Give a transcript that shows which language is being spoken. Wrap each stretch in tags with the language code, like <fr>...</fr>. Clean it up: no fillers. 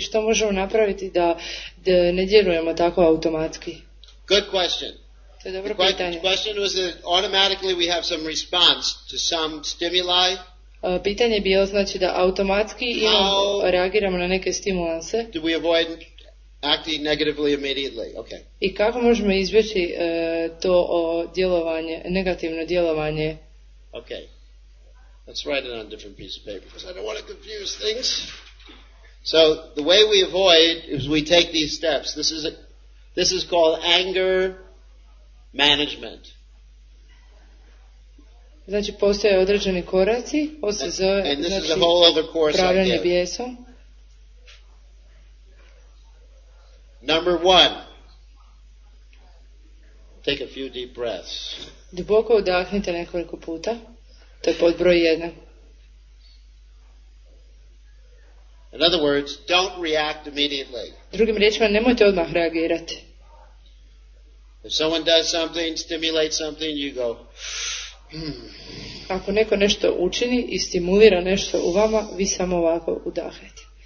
<hr>Što možemo napraviti da ne djelujemo tako automatski?</hr> <en>Good question.</en> <hr>To je dobro pitanje.</hr> <en>The question was that automatically we have some response to some stimuli.</en> <hr>Pitanje je bilo, znači, da automatski reagiramo na neke stimulanse.</hr> <en>Do we avoid acting negatively immediately. Okay.</en> <hr>I kako možemo izbjeći to djelovanje, negativno djelovanje?</hr> <en>Okay. Let's write it on a different piece of paper because I don't want to confuse things. So the way we avoid is we take these steps. This is called anger management.</en> <hr>Znači, postoje određeni koraci.</hr> <en>And this is a whole other course I give. Number one, take a few deep breaths.</en> <hr>Duboko udahnite nekoliko puta. To je pod broj jedan.</hr> <en>In other words, don't react immediately.</en> <hr>Drugim riječima, nemojte odmah reagirati.</hr> <en>If someone does something, stimulates something, you go.</en> <hr>Ako neko nešto učini i stimulira nešto u vama, vi samo ovako udahnete.</hr>